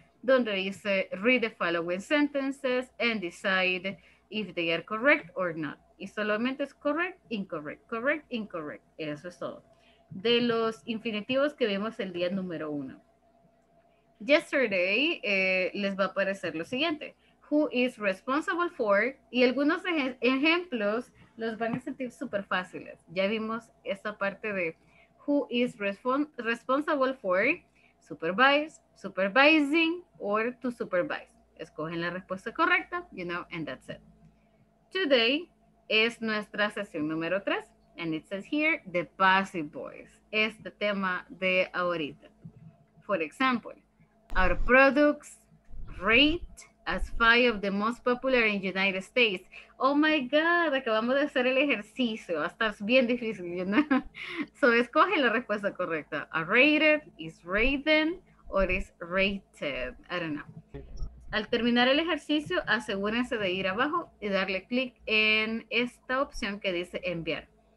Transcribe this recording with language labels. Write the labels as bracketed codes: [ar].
[es] Donde dice, [en] read the following sentences and decide if they are correct or not. [es] Y solamente es correct, incorrect, correct, incorrect. Eso es todo. De los infinitivos que vimos el día número uno. [en] Yesterday, [es] les va a aparecer lo siguiente. [en] Who is responsible for? [es] Y algunos ejemplos los van a sentir súper fáciles. Ya vimos esta parte de [en] who is responsible for supervise, supervising, or to supervise. [es] Escogen la respuesta correcta, [en] you know, and that's it. Today [es] es nuestra sesión número 3, [en] and it says here, the passive voice. [es] Este tema de ahorita. [en] For example, our products rate as 5 of the most popular in the United States. Oh my God, [es] acabamos de hacer el ejercicio. Va a estar bien difícil, [en] you know? [es] So, escoge la respuesta correcta. [en] Are rated, is rated, or is rated? I don't know. [es] Al terminar el ejercicio, asegúrense de ir abajo y darle clic en esta opción que dice enviar.